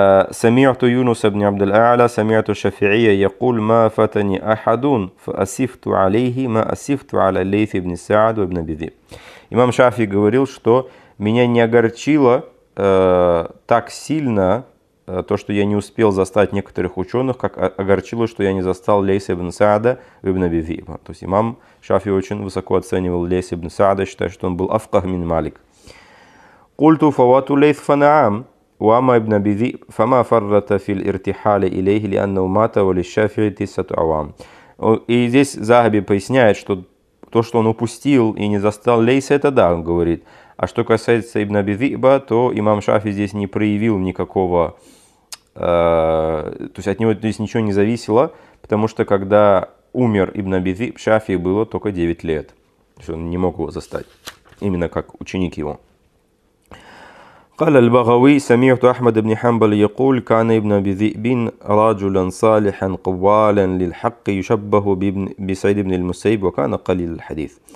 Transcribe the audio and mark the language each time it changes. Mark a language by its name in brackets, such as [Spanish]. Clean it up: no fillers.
[Arabic] سمعت يونس بن عبد الأعلى سمعت الشافعية يقول ما فتني أحد فأسفت عليه ما أسفت على الليث بن سعد وابن أبي ذئب. [Russian] Имам Шафи говорил, что меня не огорчило так сильно то, что я не успел застать некоторых ученых, как огорчило, что я не застал Лейса ибн Саада и ибн Аби Зиба. То есть имам Шафи очень высоко оценивал Лейса ибн Саада, считая, что он был [Arabic] афках мин малик. قلتُ فواتُ ليث فنعم وأما ابن أبي ذئب فما فرط في الارتحال إليه لأنه مات وللشافعي تسعة أعوام. [Russian] И здесь Захаби поясняет, что то, что он упустил и не застал Лейса, это да, он говорит. А что касается ибн Аби Зиба, то имам Шафи здесь не проявил никакого, то есть от него здесь ничего не зависело, потому что когда умер ибн Аби Зиб, Шафи было только 9 лет. То есть он не мог его застать, именно как ученик его. [Arabic] قال البغوي سمعت أحمد بن حنبل يقول كان ابن أبي ذئب رجلا صالحا قوالا للحق يشبه بسعيد بن المسيب وكان قليل الحديث.